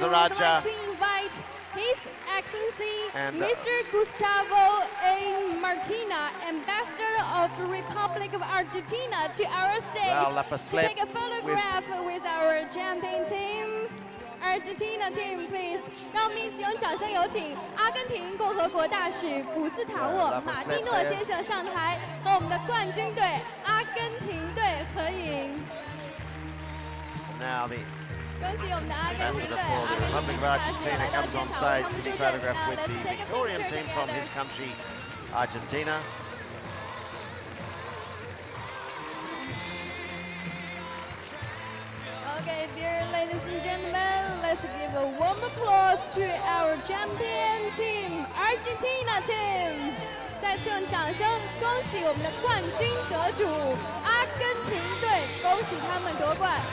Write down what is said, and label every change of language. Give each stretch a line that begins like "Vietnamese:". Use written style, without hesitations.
English: We would like to invite His Excellency Mr. Gustavo A. Martina, Ambassador of the Republic of Argentina, to our stage well, to take a photograph with our champion team. Argentina team, please.
Chinese: 让我们一起用掌声有请阿根廷共和国大使古斯塔沃马蒂诺先生上台和我们的冠军队阿根廷队合影。
English: Now the
Chinese: 恭喜我们的阿根廷队，阿根廷大使来到现场，为他们助阵。
English: Now let's take a picture together. From his country, Argentina. Okay, dear ladies and gentlemen, let's give a warm applause to our champion team, Argentina team.
Chinese: 再次用掌声恭喜我们的冠军得主阿根廷队，恭喜他们夺冠。